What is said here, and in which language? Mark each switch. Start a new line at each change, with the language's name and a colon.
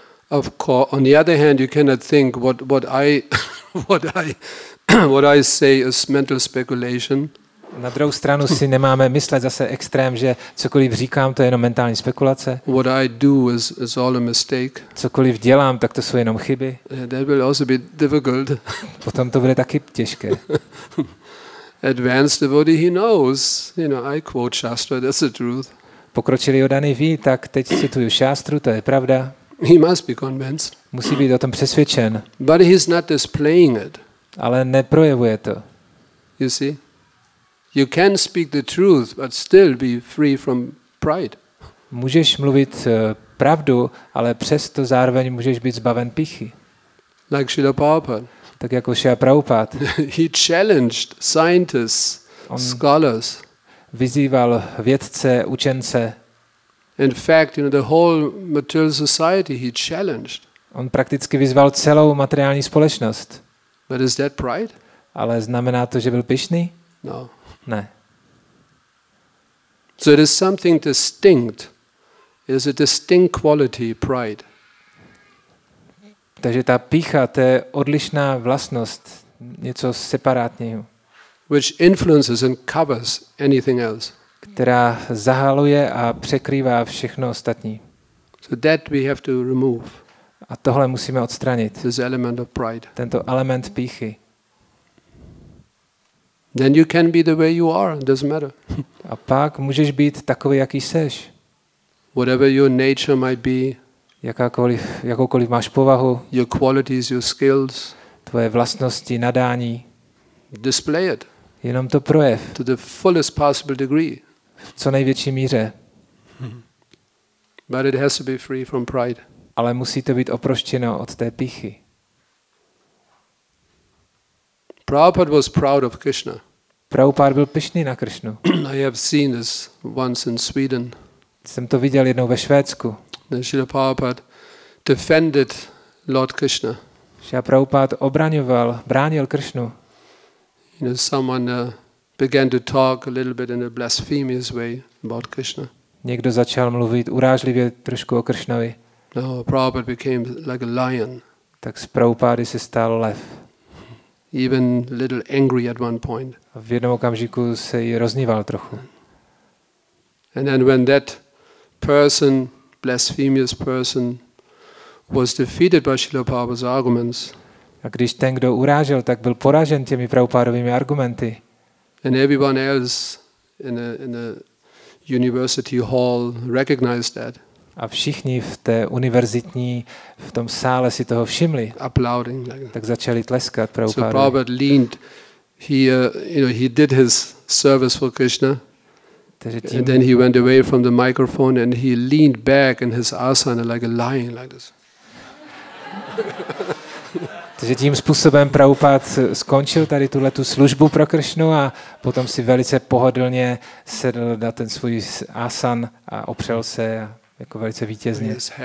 English: Of course, on the other hand, you cannot think what I say is mental speculation.
Czech: Na druhou stranu si nemáme myslet zase extrém, že cokoliv říkám, to je jenom mentální spekulace.
English: What I do is all a mistake.
Czech: Cokoliv dělám, tak to jsou jenom chyby.
English: That will also be difficult.
Czech: Potom to bude taky těžké.
English: Advanced devotee, he knows. You know, I quote Shastra, that's the truth.
Czech: Pokročilý oddaný ví, tak teď cituju Shastru, to je pravda.
English: He must be convinced.
Czech: Musí být o tom přesvědčen.
English: But he's not displaying it.
Czech: Ale neprojevuje to.
English: You see? You can speak the truth but still be free from pride.
Czech: Můžeš mluvit pravdu, ale přesto zároveň můžeš být zbaven pýchy.
English: Like Srila Prabhupada.
Czech: Tak jako Srila Prabhupada.
English: He challenged scientists, scholars.
Czech: Vyzýval vědce, učence.
English: In fact, you know, the whole material society he challenged.
Czech: On prakticky vyzval celou materiální společnost.
English: But is that pride?
Czech: Ale znamená to, že byl pyšný?
English: No.
Czech: Ne.
English: So it is something distinct. It is a distinct quality, pride.
Czech: Takže ta pýcha, to je odlišná vlastnost, něco separátního.
English: Which influences and covers anything else.
Czech: Která zahaluje a překrývá všechno ostatní.
English: So that we have to remove.
Czech: A tohle musíme odstranit.
English: This element of pride.
Czech: Tento element pýchy.
English: Then you can be the way you are, it doesn't matter.
Czech: A pak můžeš být takový, jaký seš.
English: Whatever your nature might be.
Czech: Jakoukoliv máš povahu.
English: Your qualities, your skills.
Czech: Tvoje vlastnosti, nadání.
English: Display it.
Czech: Jenom to projev.
English: To the fullest possible degree.
Czech: V co největší míře.
English: But it has to be free from pride.
Czech: Ale musí to být oproštěno od té pýchy.
English: Prabhupada was proud of Krishna.
Czech: Prabhupada byl pyšný na Krishnu.
English: I have seen this once in Sweden.
Czech: Jsem to viděl jednou ve Švédsku.
English: Srila Prabhupada defended Lord Krishna.
Czech: Srila Prabhupada obraňoval, bránil Krishnu.
English: You know, someone began to talk a little bit in a blasphemous way about Krishna.
Czech: Někdo začal mluvit urážlivě trošku o Krishnovi.
English: No, Prabhupada became like a lion.
Czech: Tak z Prabhupady se stal lev.
English: Even a little angry at one point.
Czech: V jednom okamžiku se jí rozníval trochu.
English: And then when that person, blasphemous person, was defeated by Srila Prabhupada's arguments.
Czech: A když ten, kdo urážel, tak byl poražen těmi Prabhupádovými argumenty.
English: And everyone else in the university hall recognized that.
Czech: A všichni v té univerzitní, v tom sále si toho všimli.
English: Applauding.
Czech: Tak začali tleskat
English: Prabhupádovi. So Prabhupada leaned, he did his service for Krishna. And then he went away from the microphone and he leaned back in his asana like a lion, like this.
Czech: Takže tím způsobem Prabhupád skončil tady tuhle tu službu pro Krishnu a potom si velice pohodlně sedl na ten svůj asan a opřel se a jako velice vítězně.